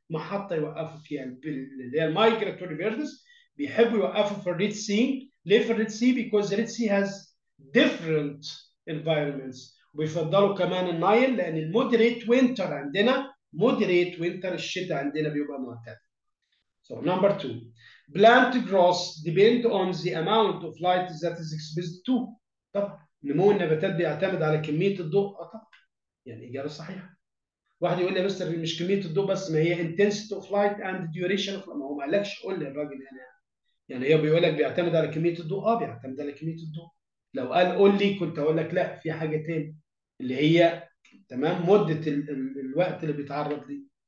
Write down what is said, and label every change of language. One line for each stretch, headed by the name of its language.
Arabic: محطة يوقفوا فيها اللي هي migratory birds بيحبوا يوقفوا في Red Sea. ليه في
English: Red Sea؟ Because Red Sea has different environments.
Arabic: بيفضلوا كمان النايل لأن moderate winter عندنا moderate winter الشتاء عندنا بيبقى معتدل.
English: So number two, plant growth depend on the amount of light that is exposed to.
Arabic: طب نمو النباتات بيعتمد على كمية الضوء. طب يعني إجابة صحيحة. واحد يقول لي يا مستر مش كمية الضوء بس، ما هي
English: intensity of light and duration of light.
Arabic: ما هو ما قالكش، قول لي الراجل هنا يعني هي بيقول لك بيعتمد على كمية الضوء. اه بيعتمد على كمية الضوء. لو قال قول لي كنت اقول لك لا في حاجه تاني اللي هي تمام مده الوقت اللي بيتعرض ليه.